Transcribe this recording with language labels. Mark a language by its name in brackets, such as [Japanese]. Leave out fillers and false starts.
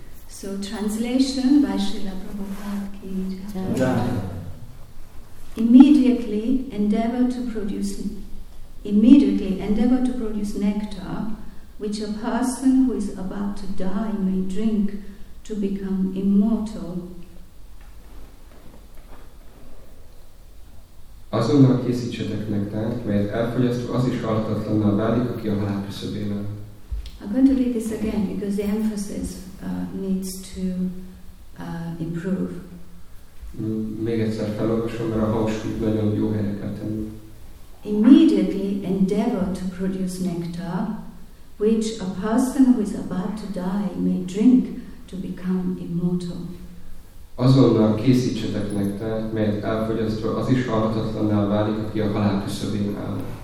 [English] So translation by Srila Prabhupada ki immediately endeavor to produce nectar which a person who is about to die may drink to become immortal. [Hungarian] azonnal készítsetek nektek, melyet elfogyasztó, az is halhatatlanná válik, aki a halál küszöbében. [English] I'm going to read this again, because the emphasis needs to improve. [Hungarian] Még egyszer felolvasom, mert a hangsúlyt nagyon jó helyre kell tenni. [English] Immediately endeavor to produce nectar, which a person who is about to die may drink to become immortal. [Hungarian] Azonnal készítsetek nektek, melyet elfogyasztva az is halhatatlanná válik, aki a halál küszöbén áll.